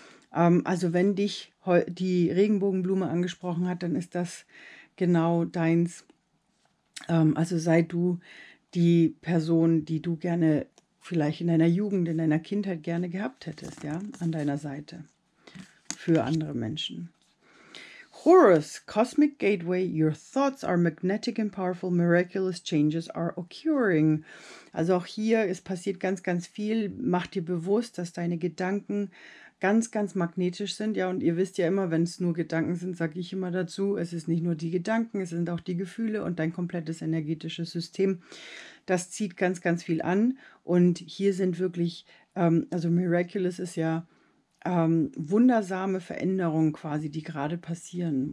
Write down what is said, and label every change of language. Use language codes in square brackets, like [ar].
[de] Also wenn dich die Regenbogenblume angesprochen hat, dann ist das genau deins. Also sei du die Person, die du gerne vielleicht in deiner Jugend, in deiner Kindheit gerne gehabt hättest, ja, an deiner Seite für andere Menschen. [en] Horus, Cosmic Gateway, your thoughts are magnetic and powerful, miraculous changes are occurring. [de] Also auch hier, es passiert ganz, ganz viel. Mach dir bewusst, dass deine Gedanken ganz, ganz magnetisch sind. Ja, und ihr wisst ja immer, wenn es nur Gedanken sind, sage ich immer dazu, es ist nicht nur die Gedanken, es sind auch die Gefühle und dein komplettes energetisches System. Das zieht ganz, ganz viel an. Und hier sind wirklich, also miraculous ist ja, wundersame Veränderungen quasi, die gerade passieren.